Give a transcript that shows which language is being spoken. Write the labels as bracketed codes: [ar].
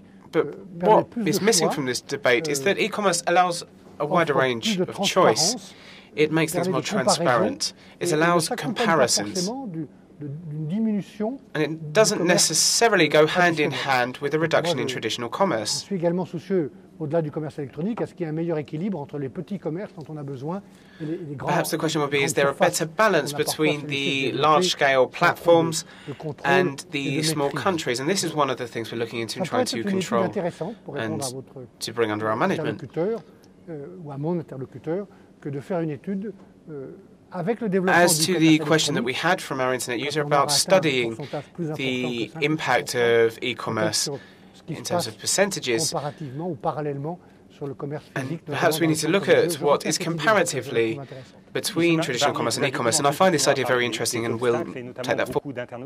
[en] But what is missing from this debate is that e-commerce allows a wider range of choice. It makes things more transparent. It allows comparisons. And it doesn't necessarily go hand in hand with a reduction in traditional commerce. [fr] Je suis également soucieux, au-delà du commerce électronique, à ce qu'il y ait un meilleur équilibre entre les petits commerces dont on a besoin et les grands. [en] Perhaps the question would be, is there a better balance between the large-scale platforms and the small countries? And this is one of the things we're looking into and trying to control and to bring under our management. [fr] Ou à mon interlocuteur, que de faire une étude. [en] As to the question that we had from our internet user about studying the impact of e-commerce in terms of percentages, and perhaps we need to look at what is comparatively between traditional commerce and e-commerce, and I find this idea very interesting and will take that forward.